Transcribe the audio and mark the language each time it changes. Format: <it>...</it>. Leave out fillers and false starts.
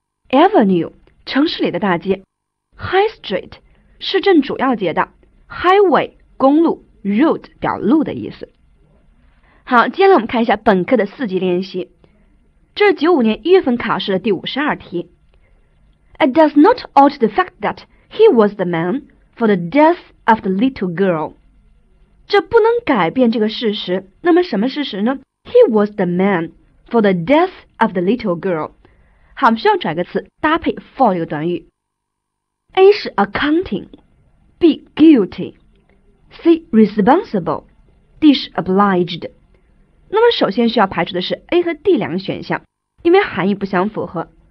<zh>Avenue, 城市里的大街。High Street, 市政主要街道。 Highway, 公路。Road, 表路的意思。好，接下来我们看一下本课的四级练习。这是95年1月份考试的第52题。</zh> <en>It does not alter the fact that he was the man for the deathof the little girl.</en> <zh>这不能改变这个事实。那么什么事实呢？</zh> <en>He was the man for the death of the little girl.</en> <zh>好，我们需要找一个词搭配 for 这个短语。</zh> <en>A 是 accounting, B guilty, C responsible, D 是 obliged.</en> <zh>那么首先需要排除的是 A 和 D 两个选项，因为含义不相符合。</zh>